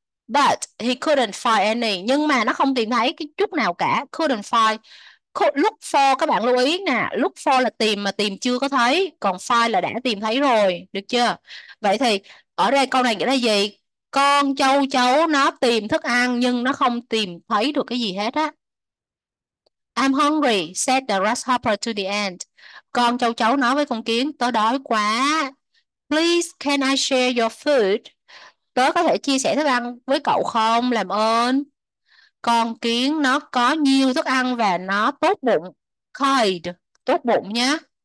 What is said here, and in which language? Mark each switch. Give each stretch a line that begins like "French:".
English: But he couldn't find any.
Vietnamese: Nhưng mà nó không tìm thấy cái chút nào cả.
English: Couldn't find.
Vietnamese: Look for các bạn lưu ý nè, look for là tìm mà tìm chưa có thấy, còn find là đã tìm thấy rồi, được chưa? Vậy thì ở đây câu này nghĩa là gì? Con châu chấu nó tìm thức ăn nhưng nó không tìm thấy được cái gì hết á.
English: I'm hungry, said the grasshopper to the ant.
Vietnamese: Con châu chấu nói với con kiến, tớ đói quá.
English: Please, can I share your food?
Vietnamese: Tớ có thể chia sẻ thức ăn với cậu không? Làm ơn. Con kiến nó có nhiều thức ăn và nó tốt bụng. Kind, tốt bụng nhé.